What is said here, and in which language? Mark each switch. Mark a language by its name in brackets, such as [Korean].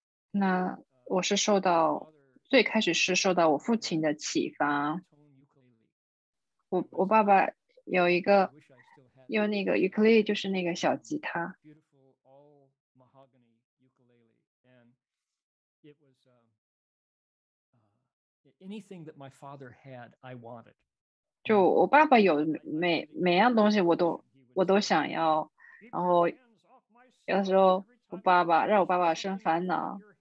[Chinese] 那我是最开始是受到我父亲的启发。我爸爸有一个用那个 ukulele 就是那个小吉他。 [English] Beautiful all mahogany ukulele, and it was anything that my father had, I wanted. [Chinese] 就我爸爸有每样东西我都想要，然后有的时候我爸爸让我爸爸生烦恼。